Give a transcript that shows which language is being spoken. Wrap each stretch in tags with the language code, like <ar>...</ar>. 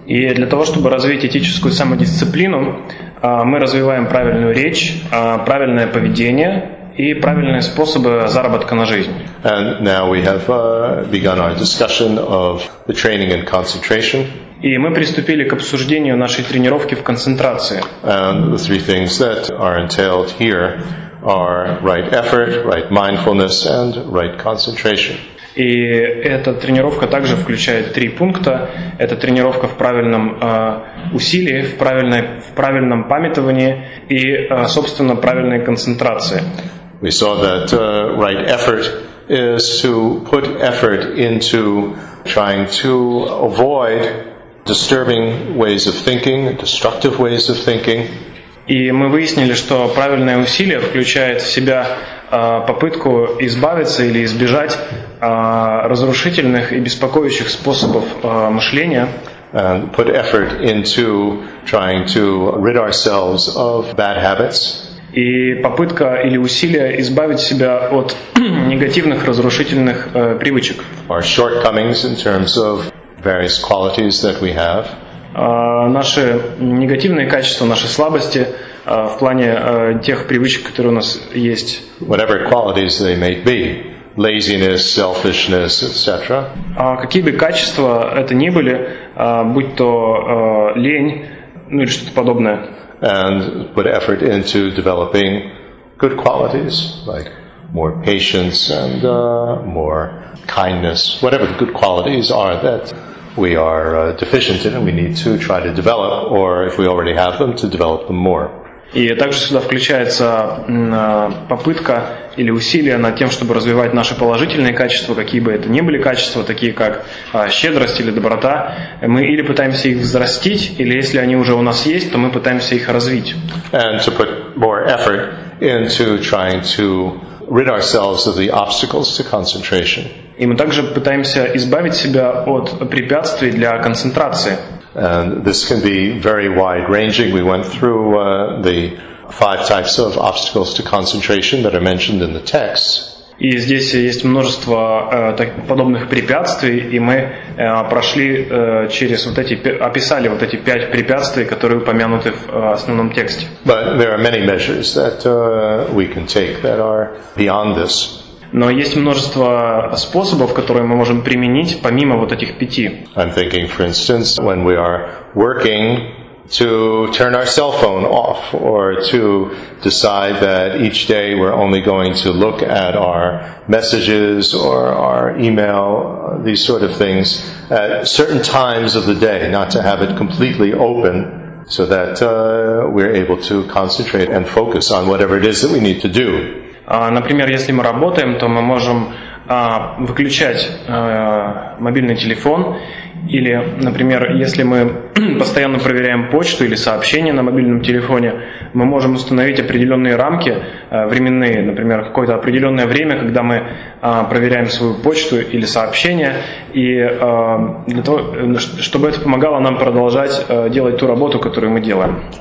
<ru>И для того, чтобы развить этическую самодисциплину, мы развиваем правильную речь, правильное поведение и правильные способы заработка на жизнь.</ru> <en>And now we have begun our discussion of the training and concentration.</en> <ru>И мы приступили к обсуждению нашей тренировки в концентрации.</ru> <en>And the three things that are entailed here are right effort, right mindfulness, and right concentration.</en> <ru>И эта тренировка также включает три пункта. Это тренировка в правильном усилии, в правильном памятовании и, собственно, правильной концентрации.</ru> <en>We saw that right effort is to put effort into trying to avoid disturbing ways of thinking, destructive ways of thinking.</en> <ru>И мы выяснили, что правильное усилие включает в себя попытку избавиться или избежать разрушительных и беспокоящих способов мышления.</ru> <en>And put effort into trying to rid ourselves of bad habits.</en> <ru>И попытка или усилие избавить себя от негативных разрушительных привычек.</ru> <en>Our shortcomings in terms of various qualities that we have.</en> <ru>Наши негативные качества, наши слабости в плане тех привычек, которые у нас есть.</ru> <en>Whatever qualities they may be, laziness, selfishness, etc.</en> <ru>Какие бы качества это ни были, будь то лень, ну или что-то подобное.</ru> <en>And put effort into developing good qualities, like more patience and more kindness, whatever the good qualities are that we are deficient in, and we need to try to develop, or if we already have them, to develop them more.</en> <ru>И также сюда включается попытка или усилие над тем, чтобы развивать наши положительные качества, какие бы это ни были качества, такие как щедрость или доброта. Мы или пытаемся их взрастить, или если они уже у нас есть, то мы пытаемся их развить.</ru> <en>And to put more effort into trying to rid ourselves of the obstacles to concentration.</en> <ru>И мы также пытаемся избавить себя от препятствий для концентрации.</ru> <en>And this can be very wide-ranging. We went through the five types of obstacles to concentration that are mentioned in the text.</en> <ru>И здесь есть множество подобных препятствий, и мы прошли через вот эти, описали вот эти пять препятствий, которые упомянуты в основном тексте.</ru> <en>But there are many measures that we can take that are beyond this.</en> <ru>Но есть множество способов, которые мы можем применить помимо вот этих пяти.</ru> <en>I'm thinking, for instance, when we are working, to turn our cell phone off, or to decide that each day we're only going to look at our messages or our email, these sort of things, at certain times of the day, not to have it completely open, so that we're able to concentrate and focus on whatever it is that we need to do.</en> <ru>Например, если мы работаем, то мы можем выключать мобильный телефон, или, например, если мы постоянно проверяем почту или сообщения на мобильном телефоне, мы можем установить определенные рамки временные, например, какое-то определенное время, когда мы проверяем свою почту или сообщения, и для того, чтобы это помогало нам продолжать делать ту работу, которую мы делаем.</ru>